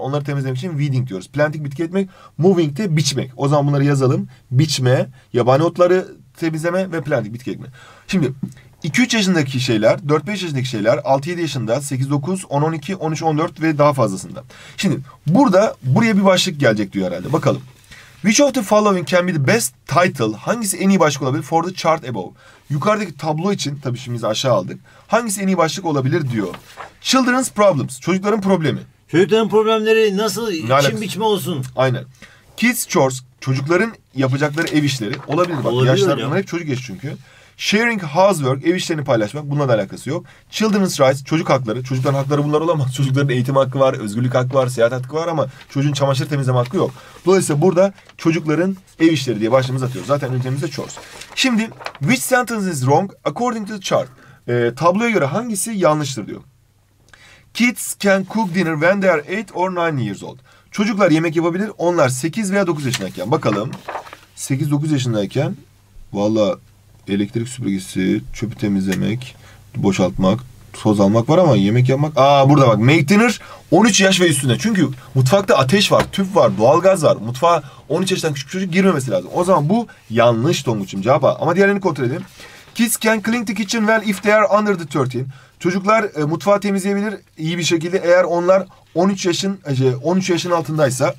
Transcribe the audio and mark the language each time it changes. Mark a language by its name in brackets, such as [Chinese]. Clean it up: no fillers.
[Turkish] Onları temizlemek için weeding diyoruz. Planting bitki etmek. Moving de biçmek. O zaman bunları yazalım. Biçme, yabani otları temizleme ve planting bitki ekme. Şimdi 2-3 yaşındaki şeyler, 4-5 yaşındaki şeyler, 6-7 yaşında, 8-9, 10-12, 13-14 ve daha fazlasında. Şimdi burada buraya bir başlık gelecek diyor herhalde. Bakalım. [English] Which of the following can be the best title? [Turkish] Hangisi en iyi başlık olabilir? [English] For the chart above. [Turkish] Yukarıdaki tablo için, tabii şimdi biz aşağı aldık. Hangisi en iyi başlık olabilir diyor. [English] Children's problems. [Turkish] Çocukların problemi. Çocukların problemleri nasıl için biçme olsun? Aynen. [English] Kids chores. [Turkish] Çocukların yapacakları ev işleri. Olabilir bak. Olabilir yaşlar bunlar hep çocuk yaşı çünkü. [English] Sharing housework. [Turkish] Ev işlerini paylaşmak. Bununla da alakası yok. [English] Children's rights. [Turkish] Çocuk hakları. Çocukların hakları bunlar olamaz. Çocukların eğitim hakkı var. Özgürlük hakkı var. Seyahat hakkı var ama çocuğun çamaşır temizleme hakkı yok. Dolayısıyla burada çocukların ev işleri diye başlığımızı atıyoruz. Zaten ünitemiz de chores. Şimdi [English] which sentence is wrong according to the chart? [Turkish] Tabloya göre hangisi yanlıştır diyor. [English] Kids can cook dinner when they are 8 or 9 years old. [Turkish] Çocuklar yemek yapabilir. Onlar 8 veya 9 yaşındayken. Bakalım. 8-9 yaşındayken valla elektrik süpürgesi, çöpü temizlemek, boşaltmak, toz almak var ama yemek yapmak. Aa burada bak. [English] Make dinner [Turkish] 13 yaş ve üstünde. Çünkü mutfakta ateş var, tüp var, doğalgaz var. Mutfağa 13 yaştan küçük çocuk girmemesi lazım. O zaman bu yanlış Tonguç'um cevaba. Ama diğerlerini kontrol edelim. [English] Kids can clean the kitchen well if they are under the 13. [Turkish] Çocuklar mutfağı temizleyebilir iyi bir şekilde eğer onlar 13 yaşın altındaysa.